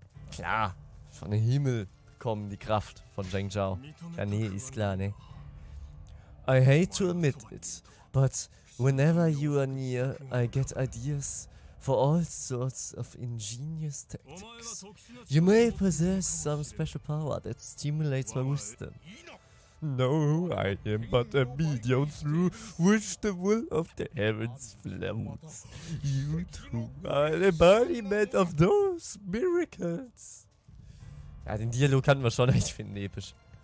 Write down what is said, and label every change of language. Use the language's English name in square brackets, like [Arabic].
[German] Klar, von dem Himmel kommen die Kraft von Zheng Zhao. Ja, nee, ist klar, ne? [English] I hate to admit it, but whenever you are near, I get ideas for all sorts of ingenious tactics. You may possess some special power that stimulates my wisdom. No, I am but a medium through which the will of the heavens flows. You too are the embodiment of those miracles. [German] Ja, den Dialog hatten wir schon, ich finde ihn episch.